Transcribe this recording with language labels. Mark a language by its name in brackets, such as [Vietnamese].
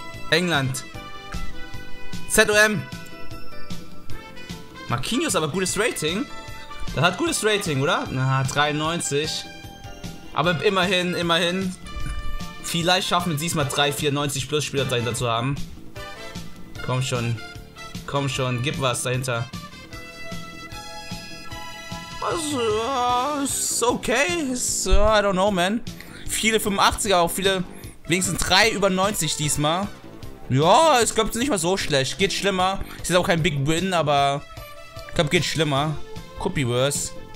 [German] England. ZOM. Marquinhos, aber gutes Rating. Das hat gutes Rating, oder? Na, 93. Aber immerhin. Vielleicht schaffen wir diesmal 3,94 plus Spieler dahinter zu haben. Komm schon, gib was dahinter. Also, ist okay. [English] I don't know, man. [German] Viele 85er, auch viele, wenigstens 3 über 90 diesmal. Ja, es klappt nicht mal so schlecht. Geht schlimmer. Ist jetzt auch kein Big Win, aber ich glaube, geht schlimmer. [English] Could be worse.